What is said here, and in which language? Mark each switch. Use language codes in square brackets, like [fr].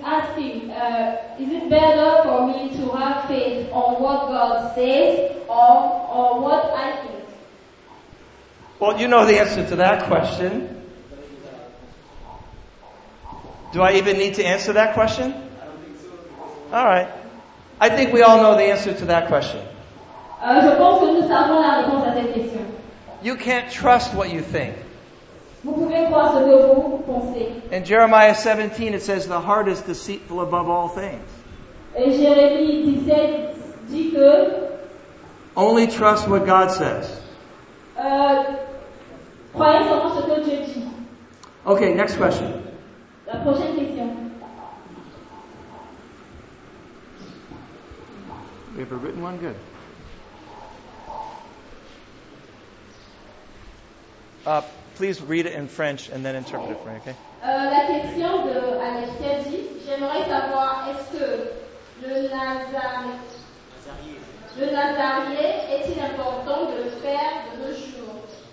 [en] asking, is it better for me to have faith on what God says or what I think? Well, you know the answer to that question. Do I even need to answer that question? I don't think so. All right. I think we all know the answer to that question. [fr] Je pense que nous savons la réponse à cette question. [en] You can't trust what you think. [fr] Vous pouvez croire ce que vous pensez. [en] In Jeremiah 17, it says, the heart is deceitful above all things. [fr] Et Jérémie 17 dit que [en] only trust what God says. [fr] Croyez seulement ce que Dieu dit. [en] Okay, next question. [fr] La prochaine question. [en] We have a written one? Good. Please read it in French and then interpret it for me, okay? [fr] La question de Alexia dit, j'aimerais savoir, est-ce que le Nazarier est-il important de le faire de nos jours?